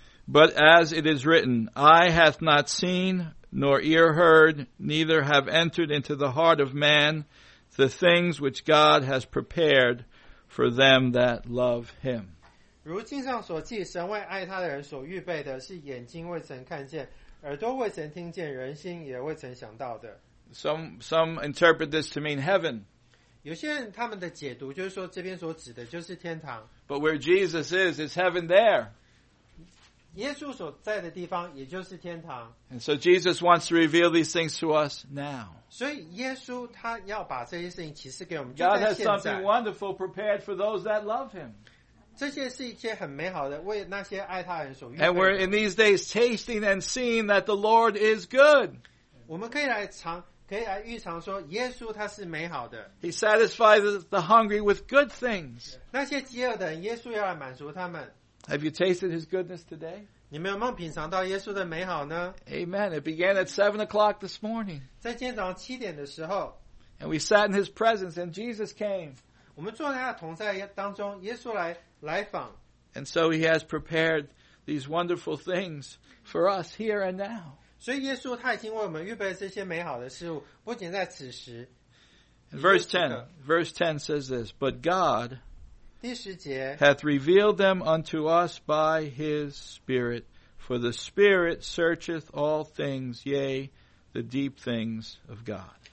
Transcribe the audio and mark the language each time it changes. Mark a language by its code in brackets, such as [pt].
[en] But as it is written, eye hath not seen, nor ear heard, neither have entered into the heart of man the things which God has prepared for them that love him. [zh] 如经上所记，神为爱他的人所预备的是眼睛未曾看见，耳朵未曾听见，人心也未曾想到的。 [en] Some interpret this to mean heaven. [zh] 有些人他们的解读就是说这边所指的就是天堂。 [en] But where Jesus is heaven there. [zh] 耶稣所在的地方也就是天堂。 [en] And so Jesus wants to reveal these things to us now. [zh] 所以耶稣他要把这些事情启示给我们。 [en] God has something wonderful prepared for those that love him. [zh] 这些是一些很美好的为那些爱他人所预备的。 [en] And we're in these days tasting and seeing that the Lord is good. [zh] 我们可以来尝可以来预尝说耶稣他是美好的。 [en] He satisfies the hungry with good things. [zh] 那些饥饿的人耶稣要来满足他们。 [en] Have you tasted his goodness today? [zh] 你们有没有品尝到耶稣的美好呢? [en] Amen. It began at 7 o'clock this morning. [zh] 在今天早上7点的时候, [en] and we sat in his presence and Jesus came. [zh] 我们坐在他的同在当中, 耶稣来访。 [en] And so he has prepared these wonderful things for us here and now. [zh] 所以耶稣他已经为我们预备了这些美好的事物, 不仅在此时, [en] in verse 10 says this, but God [zh] 第十节, [en] hath revealed them unto us by his Spirit, for the Spirit searcheth all things, yea, the deep things of God.